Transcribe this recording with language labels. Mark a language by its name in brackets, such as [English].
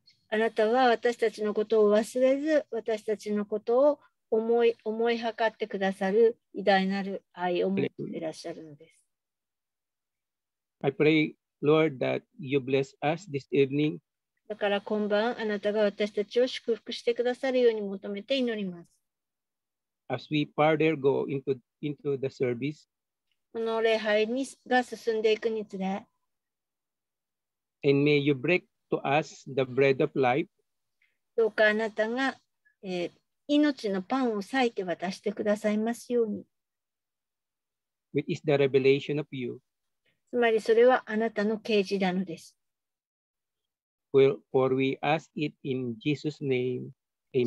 [Japanese] あなたは私たちのことを忘れず、私たちのことを思いはかってくださる偉大なる愛を持っていらっしゃるのです。 [English] I pray, Lord, that you bless us this evening. [Japanese] だから今晩、あなたが私たちを祝福してくださるように求めて祈ります。 [English] As we further go into the service, [Japanese] この礼拝にが進んでいくにつれ、 [English] And may you break to us the bread of life. [Japanese] どうかあなたが、命のパンを裂いて渡してくださいますように。 [English] Which is the revelation of you. [Japanese] つまりそれはあなたの啓示なのです。 [English] Well, for we ask it in Jesus' name. Amen.